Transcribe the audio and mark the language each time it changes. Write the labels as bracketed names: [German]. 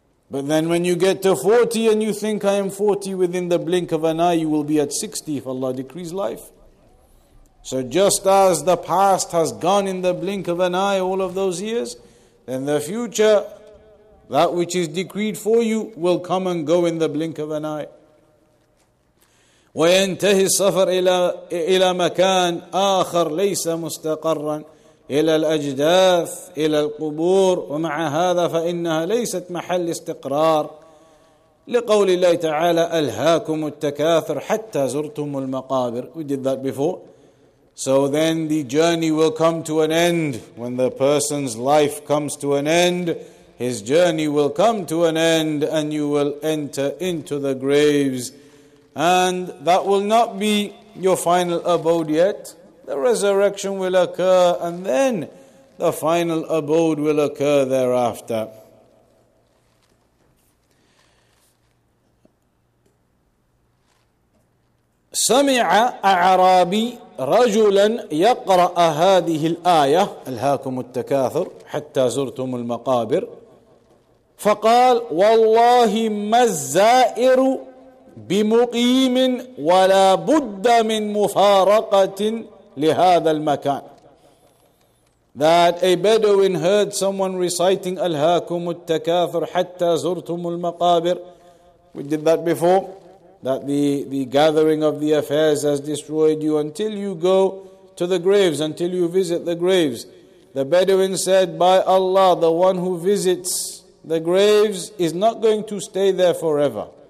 [English] But then when you get to 40 and you think I am 40, within the blink of an eye, you will be at 60 if Allah decrees life. So just as the past has gone in the blink of an eye all of those years, then the future, that which is decreed for you, will come and go in the blink of an eye. [Arabic] وَيَنْتَهِ السَّفَرْ إِلَىٰ مَكَانْ آخَرْ لَيْسَ مُسْتَقَرًّا إلى الأجداث إلى القبور ومع هذا فإنها ليست محل استقرار لقول الله تعالى ألهاكم التكاثر حتى زرتم المقابر. [English] We did that before. So then the journey will come to an end. When the person's life comes to an end, his journey will come to an end and you will enter into the graves. And that will not be your final abode yet. The resurrection will occur and then the final abode will occur thereafter. [Arabic] سمع أعرابي رجلا يقرأ هذه الآية ألهاكم التكاثر حتى زرتم المقابر فقال والله ما الزائر بمقيم ولا بد من مفارقة لهذا المكان. [English] That a Bedouin heard someone reciting [Arabic] ألهاكم التكاثر حتى زرتم المقابر. [English] We did that before. That the gathering of the affairs has destroyed you until you go to the graves, until you visit the graves. The Bedouin said, by Allah, the one who visits the graves is not going to stay there forever.